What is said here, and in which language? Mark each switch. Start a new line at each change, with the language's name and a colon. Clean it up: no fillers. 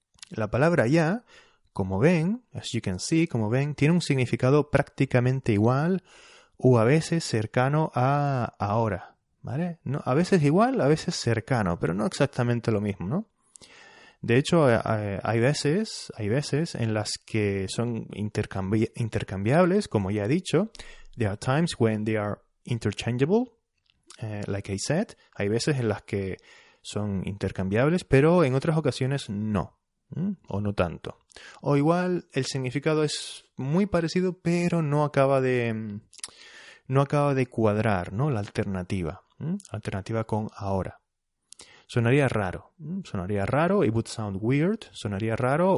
Spanish: La palabra ya, como ven,
English: as you can see,
Spanish: como ven, tiene un significado prácticamente igual o a veces cercano a ahora, ¿vale? No, a veces igual, a veces cercano, pero no exactamente lo mismo, ¿no? De hecho, hay veces en las que son intercambiables, como ya he dicho.
English: There are times when they are interchangeable, like I said.
Spanish: Hay veces en las que son intercambiables, pero en otras ocasiones no. O no tanto. O igual el significado es muy parecido, pero no acaba de cuadrar, ¿no? La alternativa. Alternativa con ahora. Sonaría raro. Sonaría raro.
English: It would sound weird.
Spanish: Sonaría raro.